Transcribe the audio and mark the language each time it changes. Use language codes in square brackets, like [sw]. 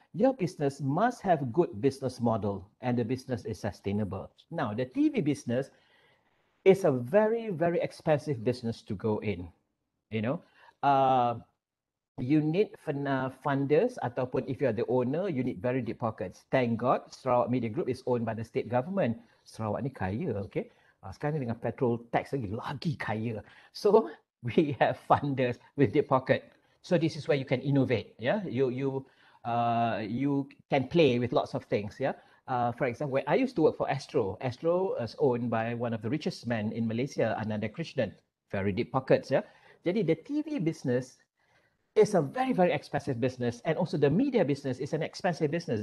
[en] Your business must have good business model and the business is sustainable. Now, the TV business is a very, very expensive business to go in. You know, you need funders ataupun if you are the owner, you need very deep pockets. Thank God, Sarawak Media Group is owned by the state government. [ms] Sarawak ni kaya, [en] okay? [ms] Sekarang ni dengan petrol tax lagi kaya. [en] So, we have funders with deep pocket. So, this is where you can innovate. Yeah, you can play with lots of things, yeah. For example, when I used to work for Astro. Astro is owned by one of the richest men in Malaysia, Ananda Krishnan. Very deep pockets, yeah. Jadi the TV business is a very, very expensive business, and also the media business is an expensive business.